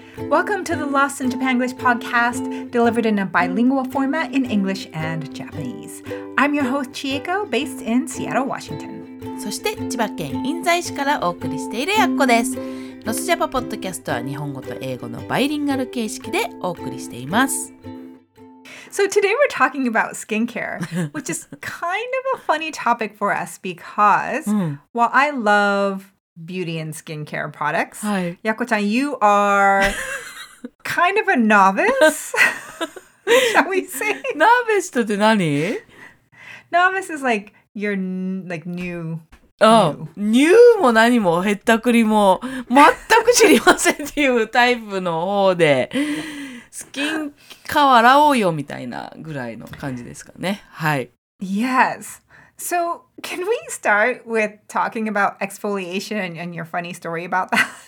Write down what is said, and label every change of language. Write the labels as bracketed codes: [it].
[en] Welcome to the Lost in Japan English podcast, delivered in a bilingual format in English and Japanese. I'm your host, Chieko, based in Seattle, Washington. [ja] そして千葉県印西市からお送りしているやっこです。ロスジャパポッドキャストは日本語と英語のバイリンガル形式でお送りしています。 [en] So today we're talking about skincare, which is kind of a funny topic for us because while I love beauty and skincare products, Yakko-chan, you are kind of a novice, shall we say? [ja] Novice とて何? [en] Novice is like you're like new. Oh, new [ja] も何も、へったくりも、全く知りませんっていうタイプの方で。スキンケア洗おうよみたいなぐらいの感じですかね。はい。 [en] Yes. So, can we start with talking about exfoliation and your funny story about that?